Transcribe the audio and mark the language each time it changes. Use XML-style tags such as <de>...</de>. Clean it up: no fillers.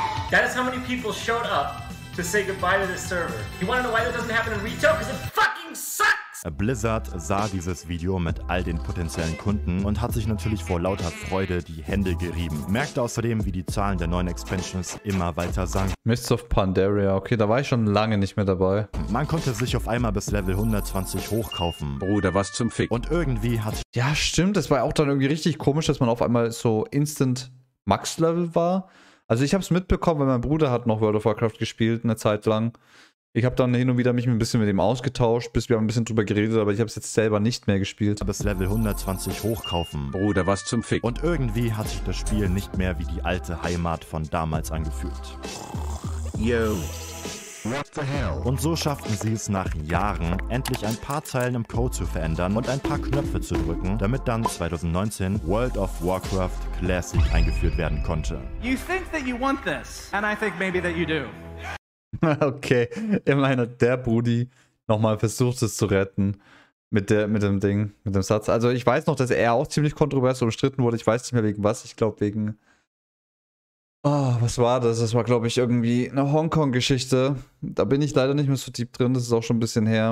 <en>That is how many people showed up to say goodbye to this server. You want to know why that doesn't happen in retail? Because it fucking sucks!</en> <de>Blizzard sah dieses Video mit all den potenziellen Kunden und hat sich natürlich vor lauter Freude die Hände gerieben. Merkte außerdem, wie die Zahlen der neuen Expansions immer weiter sanken. Mists of Pandaria, okay, da war ich schon lange nicht mehr dabei. Man konnte sich auf einmal bis Level 120 hochkaufen. Bruder, was zum Fick? Und irgendwie hat... Ja, stimmt, das war auch dann irgendwie richtig komisch, dass man auf einmal so instant Max-Level war. Also ich habe es mitbekommen, weil mein Bruder hat noch World of Warcraft gespielt eine Zeit lang. Ich habe dann hin und wieder mich ein bisschen mit ihm ausgetauscht, bis wir haben ein bisschen drüber geredet, aber ich habe es jetzt selber nicht mehr gespielt. Bis Level 120 hochkaufen. Bruder, was zum Fick. Und irgendwie hat sich das Spiel nicht mehr wie die alte Heimat von damals angefühlt.</de> <en>Yo. What the hell?</en> <de>Und so schafften sie es nach Jahren, endlich ein paar Zeilen im Code zu verändern und ein paar Knöpfe zu drücken, damit dann 2019 World of Warcraft Classic eingeführt werden konnte.</de> <en>You think that you want this, and I think maybe that you do.</en> <de>Okay, ich meine, der Brudi nochmal versucht es zu retten mit dem Satz. Also ich weiß noch, dass er auch ziemlich kontrovers umstritten wurde. Ich weiß nicht mehr wegen was. Ich glaube wegen... Oh, was war das? Das war, glaube ich, irgendwie eine Hongkong-Geschichte. Da bin ich leider nicht mehr so deep drin. Das ist auch schon ein bisschen her.</de>